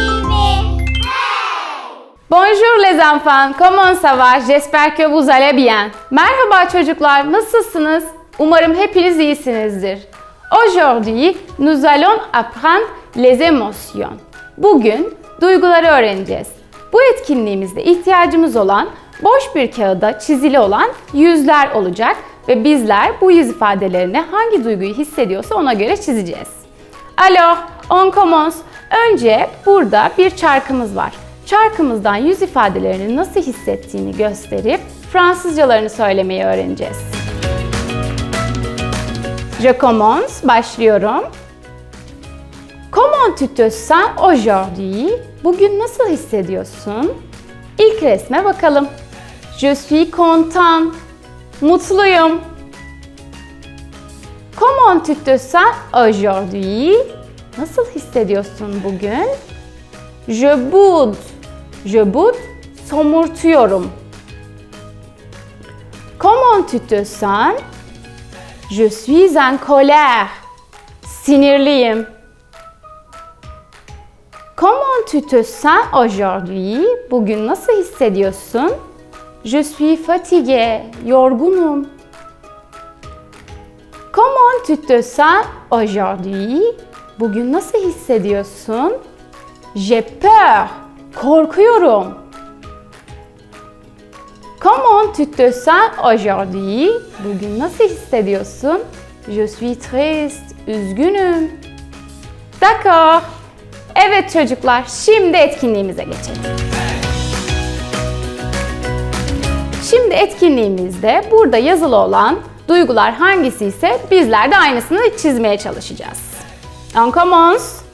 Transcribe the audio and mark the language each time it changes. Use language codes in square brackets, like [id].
[fr] Bonjour les enfants, comment ça va? J'espère que vous allez bien. [tr] Merhaba çocuklar, nasılsınız? Umarım hepiniz iyisinizdir. [fr] Aujourd'hui, nous allons apprendre les émotions. [tr] Bugün duyguları öğreneceğiz. Bu etkinliğimizde ihtiyacımız olan, boş bir kağıda çizili olan yüzler olacak ve bizler bu yüz ifadelerini hangi duyguyu hissediyorsa ona göre çizeceğiz. Alors, on commence. Önce burada bir çarkımız var. Çarkımızdan yüz ifadelerini nasıl hissettiğini gösterip Fransızcalarını söylemeyi öğreneceğiz. [fr] Je commence, başlıyorum. Comment tu te sens aujourd'hui? [tr] Bugün nasıl hissediyorsun? İlk resme bakalım. Je suis content. Mutluyum. [fr] Comment tu te sens aujourd'hui? [tr] Nasıl hissediyorsun bugün? [fr] Je boude. Je boude, somurtuyorum. Comment tu te sens? Je suis en colère. [tr] Sinirliyim. [fr] Comment tu te sens aujourd'hui? [tr] Bugün nasıl hissediyorsun? [fr] Je suis fatigué. Yorgunum. Comment tu te sens aujourd'hui? [tr] Bugün nasıl hissediyorsun? [fr] J'ai peur. Korkuyorum. Comment tu te sens aujourd'hui? [tr] Bugün nasıl hissediyorsun? Je suis triste. Üzgünüm. D'accord. Evet çocuklar, şimdi etkinliğimize geçelim. Şimdi etkinliğimizde burada yazılı olan duygular hangisi ise bizler de aynısını çizmeye çalışacağız. On commence.